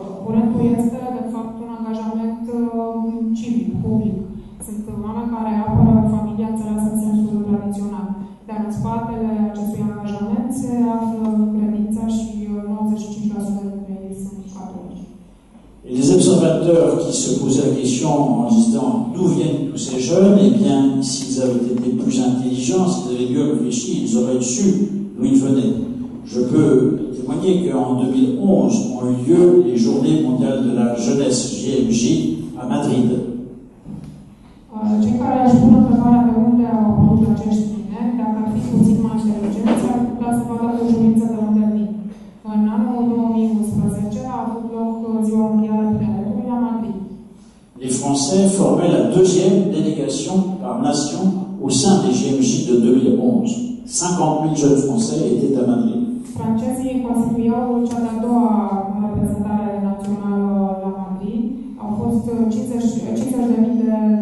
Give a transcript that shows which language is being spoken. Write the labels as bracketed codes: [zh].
[ro] Curentul este, de fapt, un angajament civic, public. Sunt oameni care apără familia înțeleasă în sensul tradițional. Dar în spatele acestui angajament se află credința și 95% dintre ei sunt catolici. [fr] Et les observateurs qui se posaient la question en disant d'où viennent tous ces jeunes, eh bien, s'ils avaient été plus intelligents, s'ils avaient mieux réfléchi, ils auraient su d'où ils venaient. Je peux témoigner qu'en 2011 ont eu lieu les Journées mondiales de la jeunesse, JMJ, à Madrid. [ro] Cei care își pun întrebarea de unde au apărut acești tineri, dacă ar fi puțin mai inteligenți, ar putea să facă o jurință de unde vin. În anul 2011 a avut loc Ziua Mondială a Tineretului la Madrid. [fr] Les Français formaient la deuxième délégation par nation au sein des GMJ de 2011. 50 000 jeunes Français étaient à Madrid. [ro] Francezii constituiau cea de-a doua reprezentare națională la Madrid. Au fost 50 de mii de